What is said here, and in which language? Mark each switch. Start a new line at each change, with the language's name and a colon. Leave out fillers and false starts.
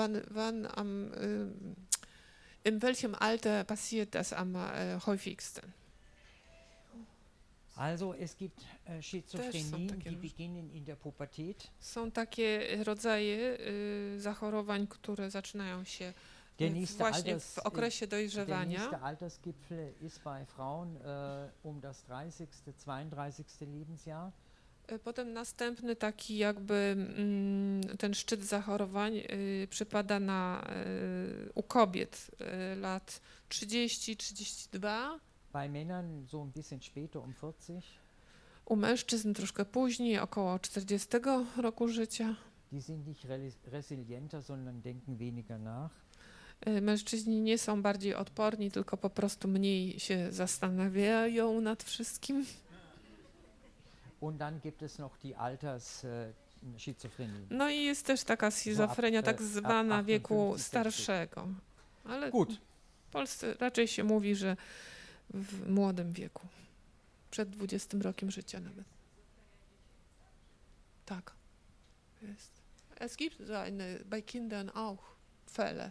German: Wann am in welchem Alter passiert das am häufigsten? Also es gibt Schizophrenien, die beginnen in der Pubertät.
Polish: Są takie rodzaje zachorowań, które zaczynają się właśnie w okresie dojrzewania.
German: Der nächste Altersgipfel ist bei Frauen um das 30., 32. Lebensjahr.
Polish: Potem następny taki jakby ten szczyt zachorowań przypada na u kobiet lat 30-32.
German: Bei Männern so ein bisschen später um 40.
Polish: U mężczyzn troszkę później, około 40. roku życia.
German: Die sind nicht resilienter, sondern denken weniger nach.
Polish: Mężczyźni nie są bardziej odporni, tylko po prostu mniej się zastanawiają nad wszystkim.
German: Und dann gibt es noch die Alters, Schizophrenie.
Polish: No i jest też taka schizofrenia, tak zwana wieku starszego. Ale gut. W Polsce raczej się mówi, że w młodym wieku, przed 20 rokiem życia nawet. Tak. Jest.
German: Es gibt so eine, bei Kindern auch Fälle.